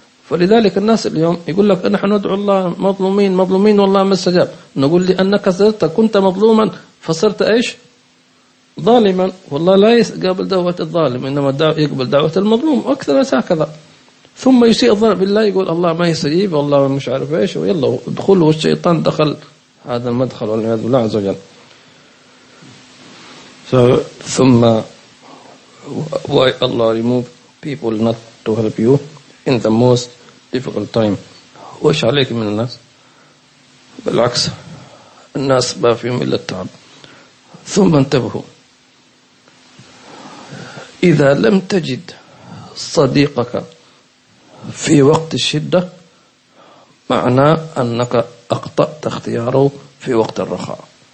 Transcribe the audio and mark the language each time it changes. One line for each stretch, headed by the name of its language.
Arabic: فلذلك الناس اليوم يقول لك نحن ندعو الله مظلومين مظلومين والله ما استجاب، نقول لأنك صرت كنت مظلوما فصرت إيش؟ ظالما. والله لا يقبل دعوة الظالم، إنما يقبل دعوة المظلوم، أكثر ناس هكذا، ثم يسيء الظن بالله، يقول الله ما يستجيب والله مش عارف إيش، ويلا ادخل، والشيطان دخل هذا المدخل والعياذ بالله عز وجل. ثم
English: why Allah remove people not to help you in the most difficult time،
Arabic: وش عليك من الناس؟ بالعكس الناس ما فيهم إلا التعب. ثم انتبهوا، إذا لم تجد صديقك في وقت الشدة معنى أنك أخطأت اختياره في وقت الرخاء.